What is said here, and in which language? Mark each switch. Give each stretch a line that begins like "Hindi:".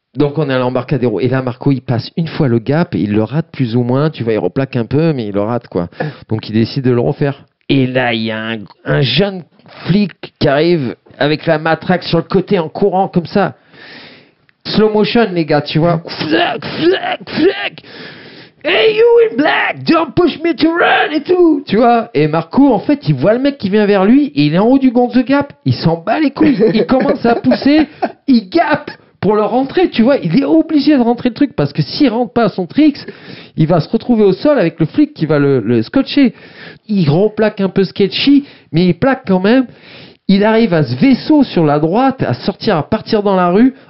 French: Donc, on est à l'Embarcadéro. Et là, Marco, il passe une fois le gap, et il le rate plus ou moins. Tu vois, il replaque un peu, mais il le rate, quoi. Donc, il décide de le refaire. Et là, il y a un jeune flic qui arrive avec la matraque sur le côté en courant, comme ça. Slow motion, les gars, tu vois. Flic, flic, flic.
English: Hey, you in black, don't push me to run
French: et tout, tu vois. Et Marco, en fait, il voit le mec qui vient vers lui et il est en haut du Gonzo Gap. Il s'en bat les couilles, il commence à pousser, il gap pour le rentrer, tu vois. Il est obligé de rentrer le truc parce que s'il rentre pas à son tricks, il va se retrouver au sol avec le flic qui va le scotcher. Il replaque un peu sketchy, mais il plaque quand même. Il arrive à ce vaisseau sur la droite, à sortir, à partir dans la rue.